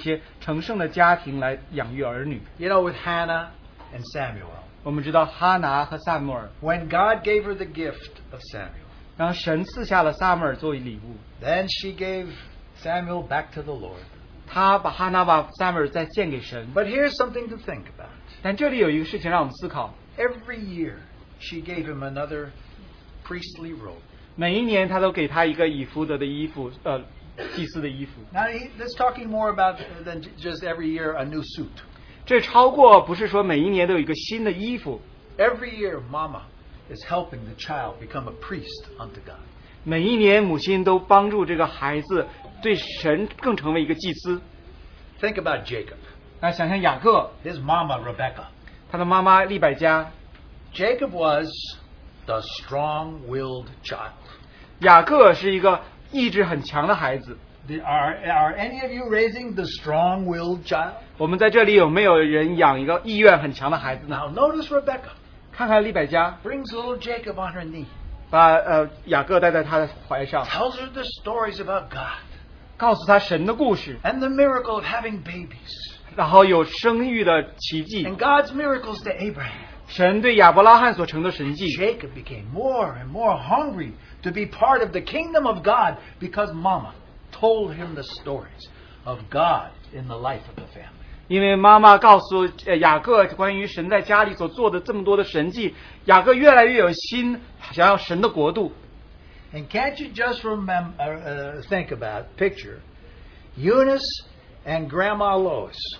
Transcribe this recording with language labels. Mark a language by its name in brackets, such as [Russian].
[Chinese] 我们在看见圣经当中很有趣的这些成圣的家庭来养育儿女。 [English] You know, with Hannah and Samuel, [Chinese] 我们知道哈拿和撒母耳, [English] when God gave her the gift of Samuel, [Chinese] 然后神赐下了撒母耳作为礼物, [English] then she gave Samuel back to the Lord. [Chinese] 她把哈拿把撒母耳再献给神。 [English] But here's something to think about. [Chinese] 但这里有一个事情让我们思考。 [English] Every year, she gave him another priestly robe. [Chinese] 每一年她都给他一个以弗德的衣服, 祭司的衣服。 [English] Now that's talking more about than just every year a new suit. [Chinese] 这超过不是说每一年都有一个新的衣服。 [English] Every year, Mama is helping the child become a priest unto God. [Chinese] 每一年母亲都帮助这个孩子对神更成为一个祭司。 [English] Think about Jacob. [Chinese] 那想想雅各。 [English] His mama, Rebecca. [Chinese] 他的妈妈利百加。 [English] Jacob was the strong-willed child. [Chinese] 雅各是一个意志很强的孩子。 [English] Are any of you raising the strong-willed child? [Chinese] 我们在这里有没有人养一个意愿很强的孩子呢? [English] Now notice Rebecca. [Chinese] 看看利百加。 [English] Brings little Jacob on her knee. [Chinese] 把雅各带在他的怀上。 [English] Tells her the stories about God. [Chinese] 告诉他神的故事。 [English] And the miracle of having babies. [Chinese] 然后有生育的奇迹。 [English] And God's miracles to Abraham. [Chinese] 神对亚伯拉罕所成的神迹。 [English] Jacob became more and more hungry to be part of the kingdom of God because Mama told him the stories of God in the life of the family. [Chinese] 因为妈妈告诉雅各关于神在家里所做的这么多的神迹，雅各越来越有心想要神的国度。 [English] And can't you just remember, think about picture Eunice and Grandma Lois?